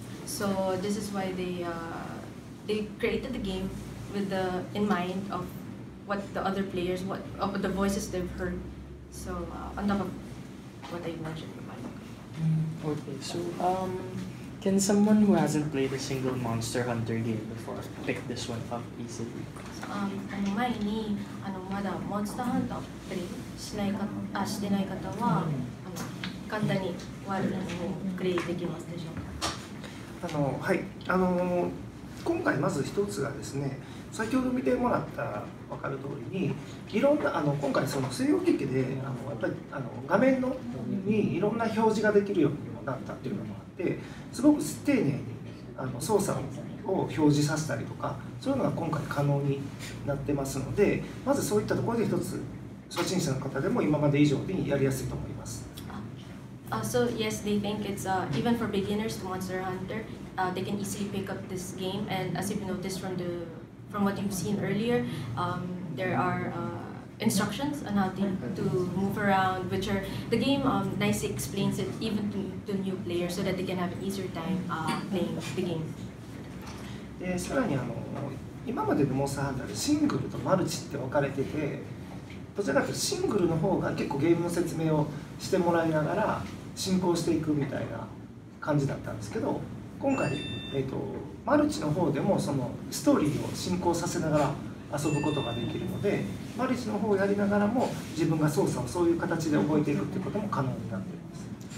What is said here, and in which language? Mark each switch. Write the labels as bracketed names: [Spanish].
[English] So this is why they created the game with the in mind of what the other players, what of the voices they've heard. So on top of what I mentioned in my book. Okay, so can someone who hasn't played a single Monster Hunter game before pick this one up easily? [Japanese] 前にまだモンスターハンターをプレイしないか、してない方は簡単にワールドの方をプレイできますでしょうか？はい、今回まず一つがですね、先ほど見てもらったら分かる通りに、いろんな今回その西洋機器でやっぱり画面のにいろんな表示ができるようにもなったっていうのもあって、すごく丁寧に操作を表示させたりとか、そういうのが今回可能になってますので、まずそういったところで一つ初心者の方でも今まで以上にやりやすいと思います。 [English] So yes, they think it's even for beginners to Monster Hunter, they can easily pick up this game, and as you've noticed from what you've seen earlier, there are instructions on how to move around, which are the game nicely explains it even to new players so that they can have an easier time playing the game. [Japanese] で、さらに今までのモンスターハンターでシングルとマルチって分かれてて、どちらかというとシングルの方が結構ゲームの説明をしてもらいながら進行していくみたいな感じだったんですけど、今回、マルチの方でもそのストーリーを進行させながら遊ぶことができるので、マルチの方をやりながらも自分が操作をそういう形で覚えていくということも可能になっています。